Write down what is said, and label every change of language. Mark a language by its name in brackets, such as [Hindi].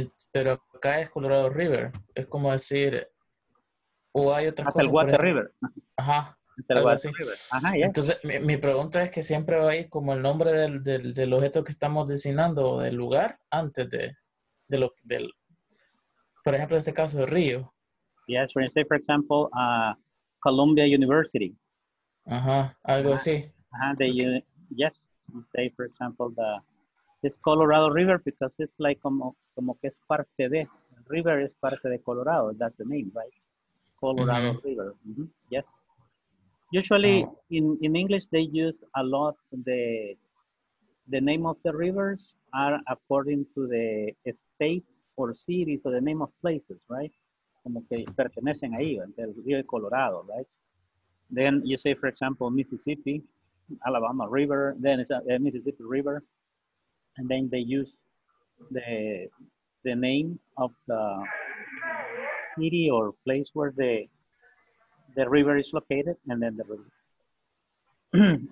[Spanish] Pero acá es Colorado River. Es como decir, o hay otra cosa. [English] El Water River. Ajá. El Water River. [Spanish] Ajá, ya. Entonces, mi pregunta es que siempre va a ir como el nombre del objeto que estamos designando, del lugar, antes de lo del, por ejemplo, en este caso, el río. [English] Yes, when you say, for example, Columbia University. [Spanish] Uh-huh. Algo así. [English] Yes. Say, for example, this Colorado River, because it's like [Spanish] como que es parte de. [English] River is [Spanish] parte de [English] Colorado. That's the name, right? Colorado mm-hmm. River. Mm-hmm. Yes. Usually in English, they use a lot the name of the rivers are according to the states or cities or the name of places, right? [Spanish] Como que pertenecen ahí, el río de Colorado, right? [English] Then you say, for example, Mississippi, Alabama River, then it's a Mississippi River, and then they use the name of the city or place where the river is located, and then the river.